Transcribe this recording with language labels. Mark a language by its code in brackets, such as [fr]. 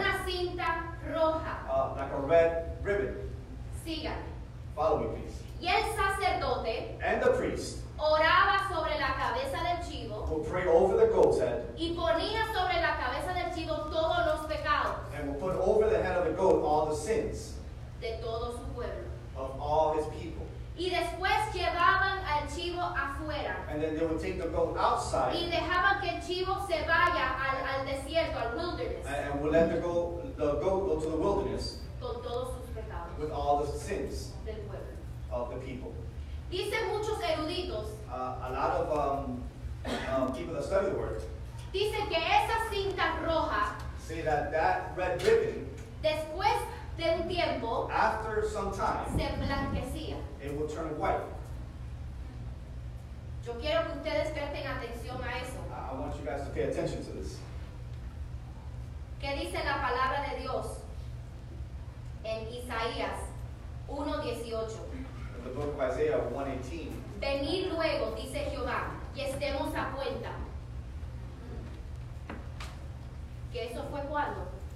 [es] una cinta roja, [en] like a red ribbon. [es] Sígame. [en] Follow me, please. [es] Y el sacerdote, [en] and the priest, [es] oraba sobre la cabeza del chivo, [en] would pray over the goat's head, [es] y ponía sobre la cabeza del chivo todos los pecados, [en] and would put over the head of the goat all the sins, [es] de todo su pueblo, [en] of all his people. [es] Y después llevaban al chivo afuera. [en] And then they would take the goat outside. [es] Y dejaban que el chivo se vaya al desierto, al wilderness. [en] And would let the goat go to the wilderness. [es] Con todos sus pecados. [en] With all the sins. [es] Del pueblo. [en] Of the people. [es] Dicen muchos eruditos. [en] A lot of people that study the word. [es] Dicen que esa cinta roja. [en] Say that red ribbon. [es] Después de un tiempo. [en] After some time. [es] Se blanquecía. [en] It will turn white. [es] Yo quiero que ustedes presten atención a eso. [en] I want you guys to pay attention to this. [es] ¿Qué dice la palabra de Dios en Isaías 1:18? [en] In the book of Isaiah 1:18. [es] Venid luego, dice Jehová, y estemos a cuenta. ¿Qué eso fue cuando?